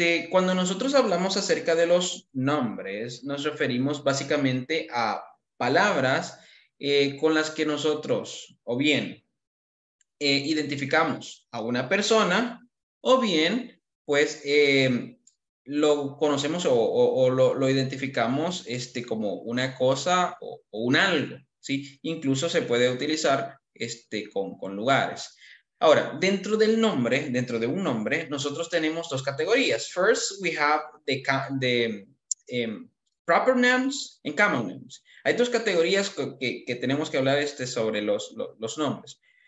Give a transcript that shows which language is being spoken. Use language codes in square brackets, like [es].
[es] Cuando nosotros hablamos acerca de los nombres, nos referimos básicamente a palabras con las que nosotros o bien identificamos a una persona o bien pues lo conocemos o lo identificamos como una cosa o un algo. ¿Sí? Incluso se puede utilizar con lugares. Ahora, dentro del nombre, dentro de un nombre, nosotros tenemos dos categorías. [en] First, we have the proper nouns and common nouns. [es] Hay dos categorías que tenemos que hablar sobre los nombres.